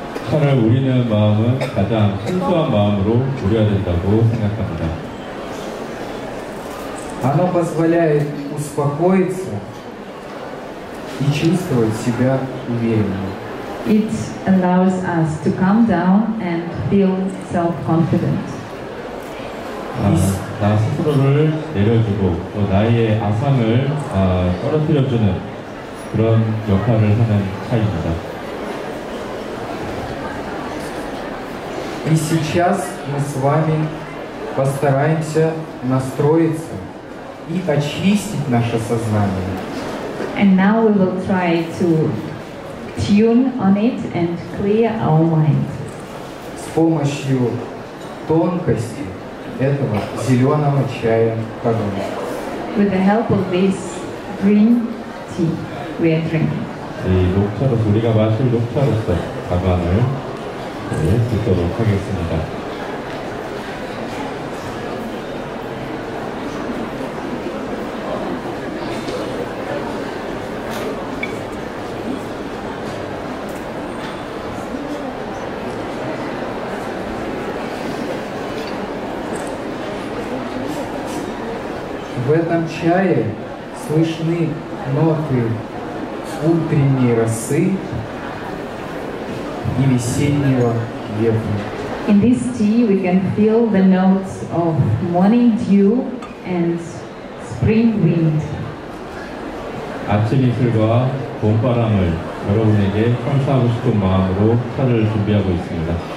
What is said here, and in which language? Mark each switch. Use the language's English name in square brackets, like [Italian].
[Korean] 차를 우리는 마음은 가장 순수한 마음으로 우려야 된다고 생각합니다. [Russian] Оно позволяет успокоиться и чувствовать себя уверенно. [English] It allows us to calm down and feel self-confident. [Korean] 나 스스로를 내려주고 또 나의 아상을 떨어뜨려주는 그런 역할을 하는 차이입니다. [Russian] И сейчас мы с вами постараемся настроиться и очистить наше сознание. [English] And now we will try to tune on it and clear our mind. [Russian] С помощью тонкости этого зеленого чая канона. [English] With the help of this green tea we are drinking. [Korean] 이 녹차로 우리가 마실 녹차로서 가관을 듣도록 하겠습니다. [Russian] В этом чае слышны ноты утренней росы и весеннего ветра. [English] In this tea we can feel the notes of morning dew and spring wind. [Korean] 아침 이슬과 봄바람을 여러분에게 선사하고 싶은 마음으로 차를 준비하고 있습니다.